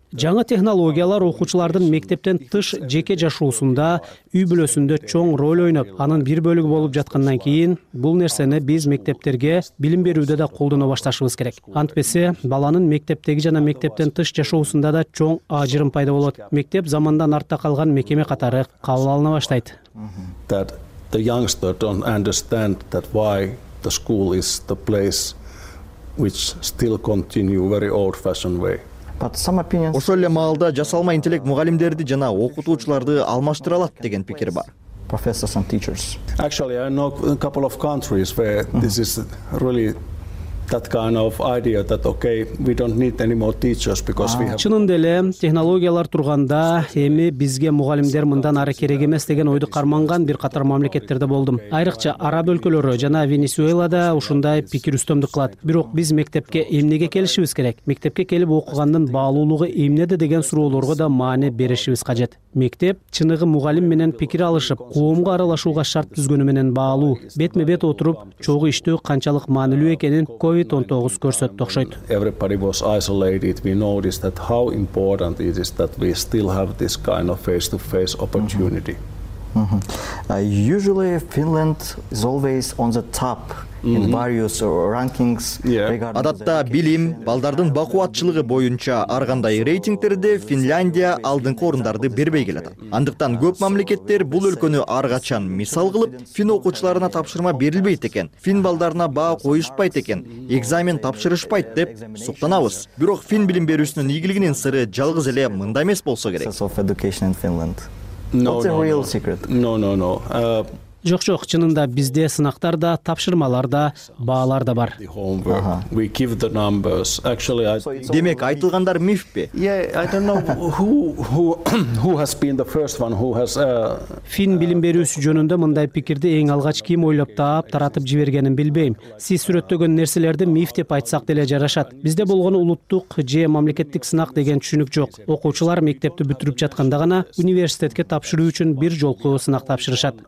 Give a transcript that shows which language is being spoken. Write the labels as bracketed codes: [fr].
[ky] Жаңы технологиялар окуучулардын мектептен тыш жеке жашоосунда, үй бүлөсүндө чоң роль ойноп, анын бир бөлүгү болуп жаткандан кийин, бул нерсени биз мектептерге билим берүүдө да колдоно башташыбыз керек. Антпесе, баланын мектептеги жана мектептен тыш жашоосунда да чоң ажырым пайда болот. Мектеп замандан артта калган мекеме катары кабыл алына баштайт. [en] That the youngster don't understand that why the school is the place which still continue very old fashioned way. [ky] Ошол эле маалда жасалма интеллект мугалимдерди жана окутуучуларды алмаштыра алат деген пикир бар. [en] Professors and teachers. Actually, I know a couple of countries where this is really that kind of idea that okay, we don't need any more teachers because we have. [ky] Чынында эле технологиялар турганда эми бизге мугалимдер мындан ары керек эмес деген ойду карманган бир катар мамлекеттерде болдум. Айрыкча араб өлкөлөрү жана Венесуэлада ушундай пикир үстөмдүк кылат. Бирок биз мектепке эмнеге келишибиз керек? Мектепке келип окугандын баалуулугу эмнеде деген суроолорго да маани беришибиз кажет. Мектеп чыныгы мугалим менен пикир алышып, коомго аралашууга шарт түзгөнү менен баалуу. Бетме-бет отуруп, чогуу иштөө канчалык маанилүү экенин COVID-19 көрсөттү окшойт. [en] Everybody was isolated. We noticed that how important it is that we still have this kind of face-to-face opportunity. Usually Finland is always on the top in various rankings [ky] regarding адатта билим, балдардын бакуватчылыгы боюнча ар кандай рейтингтерде Финляндия алдыңкы орундарды бербей келет. Андыктан көп мамлекеттер бул өлкөнү ар качан мисал кылып, фин окуучуларына тапшырма берилбейт экен, фин балдарына баа коюшпайт экен, экзамен тапшырышпайт деп суктанабыз. Бирок фин билим берүүсүнүн ийгилигинин сыры жалгыз эле мында эмес болсо керек. [en] What's the real secret? No. [ky] Жок, чынында бизде сынактар да, тапшырмалар да, баалар да бар. [en] We give the numbers. Actually, [ky] демек айтылгандар миф пе? [en] Yeah, I don't know who has been the first one who has [ky] фин билим берүүсү жөнүндө мындай пикирди эң алгач ким ойлоп таап, таратып жибергенин билбейм. Сиз сүрөттөгөн нерселерди миф деп айтсак деле жарашат. Бизде болгон улуттук же мамлекеттик сынак деген түшүнүк жок. Окуучулар мектепти бүтүрүп жатканда гана университетке тапшыруу үчүн бир жолку сынак тапшырышат.